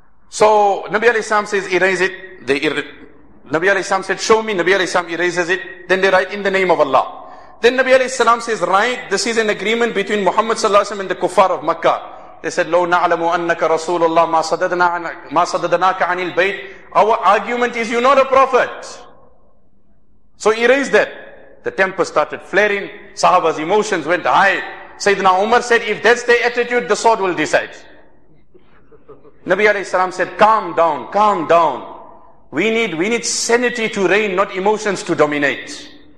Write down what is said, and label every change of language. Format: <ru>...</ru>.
<en>So Nabi alayhi salam says, erase it. Nabi alayhi salam said, show me. Nabi alayhi salam erases it. Then they write in the name of Allah. Then Nabi alayhi salam says, right, this is an agreement between Muhammad sallallahu alayhi wa sallam and the kuffar of Makkah. They said,</en> <ar>لَوْ نَعْلَمُ أَنَّكَ رَسُولُ اللَّهِ مَا صَدَدْنَاكَ عَنِ الْبَيْتِ.</ar> <en>Our argument is, you're not a prophet. So erase that. The temper started flaring. Sahaba's emotions went high. Sayyidina Umar said, if that's the attitude, the sword will decide. Nabi alayhi salam said, calm down. We need sanity to reign, not emotions to dominate.</en>